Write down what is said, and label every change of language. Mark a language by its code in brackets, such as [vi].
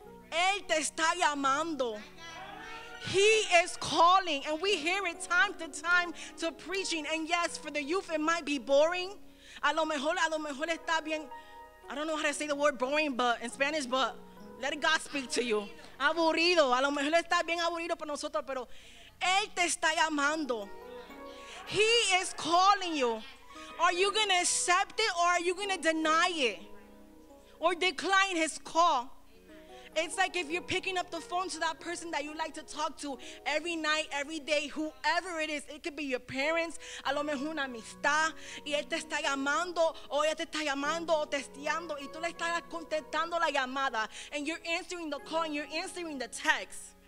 [es] Él te está llamando. [en] He is calling, and we hear it time to time to preaching. And yes, for the youth, it might be boring. [es] A lo mejor está bien. [en] I don't know how to say the word boring, but in Spanish, but let God speak to you. [es] Aburrido. A lo mejor está bien aburrido para nosotros, pero Él te está llamando. [en] He is calling you. Are you going to accept it or are you going to deny it or decline His call? It's like if you're picking up the phone to that person that you like to talk to every night, every day, whoever it is. It could be your parents, [es] a lo mejor una amistad, y él te está llamando, o ella te está llamando, o testeando, y tú le estás contestando la llamada, [en] and you're answering the call, and you're answering the text.